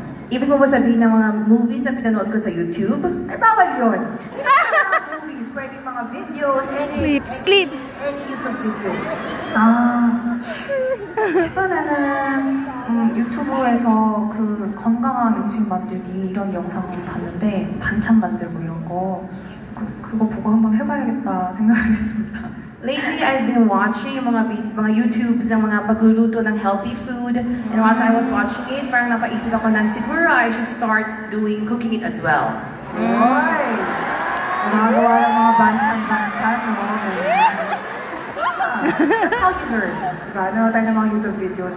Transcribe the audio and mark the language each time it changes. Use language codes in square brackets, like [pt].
[tl] Ibig mo ba sabihin ng mga movies na pinanood ko sa YouTube? Ay, bawal yun! Hindi mga movies, pwede yung mga videos, clips. [en] Any YouTube video. Ah. [ko] 최근에는 유튜브에서 그 건강한 음식 만들기 이런 영상을 봤는데 반찬 만들고 이런 거 그거 보고 한번 해봐야겠다 생각했습니다. [en] Lately, I've been watching [tl] mga YouTubes ng mga pagluluto ng [en] healthy food. And as I was watching it, [tl] parang napaisip ako na siguro [en] I should start doing cooking it as well. Oy! [tl] Nagawa ng mga banchan-banchan, no? [en] That's how you learn. [tl] Diba? Nanonood tayo ng mga [en] YouTube videos.